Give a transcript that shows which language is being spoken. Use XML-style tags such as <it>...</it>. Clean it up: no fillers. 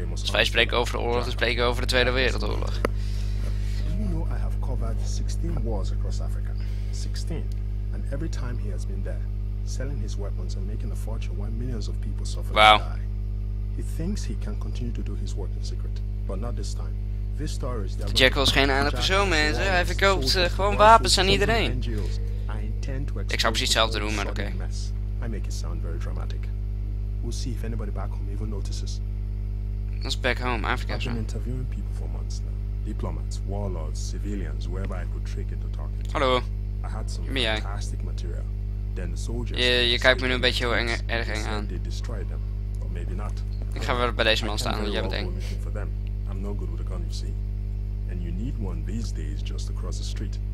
<nl>Als wij spreken over de oorlog, dan spreken we over de Tweede Wereldoorlog.</nl> <en>Do you know I have covered 16 wars across Africa? 16. And every time he has been there, selling his weapons and making a fortune while millions of people suffer. Wow. He thinks he can continue to do his work in secret, but not this time. This story is</en> <nl>the Jackal is geen aardig persoon, mensen. Hij verkoopt gewoon wapens aan iedereen. Ik zou precies hetzelfde doen, maar oké.</nl> <en>I make it sound very dramatic. We'll see if anybody back home even notices. That's back home, Africa. I've been interviewing people for months now. Diplomats, warlords, civilians, wherever I could trick into talking.</en> <nl>Hallo.</nl> <en>I had some fantastic material. Then the soldiers.</en> <nl>Je kijkt me nu een beetje erg eng aan.</nl> <en>They destroyed them. Maybe not.</en> <nl>Ik ga wel bij deze man staan, want jij bent eng.</nl> <en>I'm no good with a gun, you see. And you need one these days just across the street.</en>